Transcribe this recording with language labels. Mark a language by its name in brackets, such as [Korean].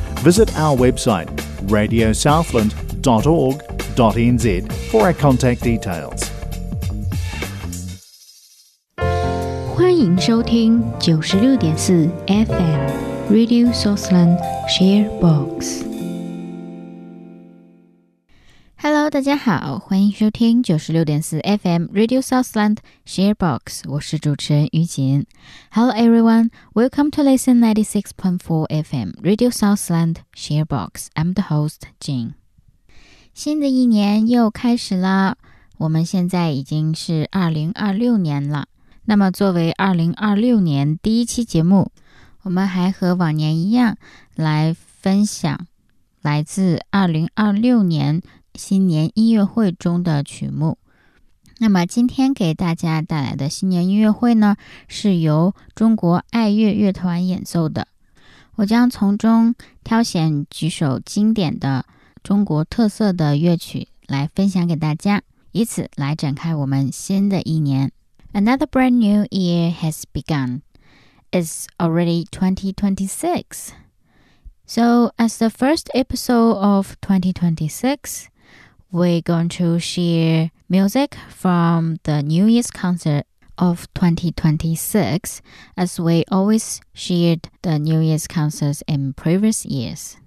[English] Visit our website, radiosouthland.org.nz, for our contact details. [Chinese] 欢迎收听 96.4 FM Radio Southland Sharebox。 Hello， 大家好，欢迎收听 96.4 FM Radio Southland Sharebox， 我是主持人于锦。 [English] Hello everyone, welcome to listen 96.4 FM Radio Southland Sharebox. I'm the host, Jin. [Chinese] 新的一年又开始啦，我们现在已经是2026年了。那么作为2026年第一期节目，我们还和往年一样来分享来自2026年新年音乐会中的曲目。那么今天给大家带来的新年音乐会呢，是由中国爱乐乐团演奏的。我将从中挑选几首经典的中国特色的乐曲来分享给大家，以此来展开我们新的一年。 [English] Another brand new year has begun. It's already 2026. So, as the first episode of 2026, we're going to share music from the New Year's concert of 2026, as we always shared the New Year's concerts in previous years.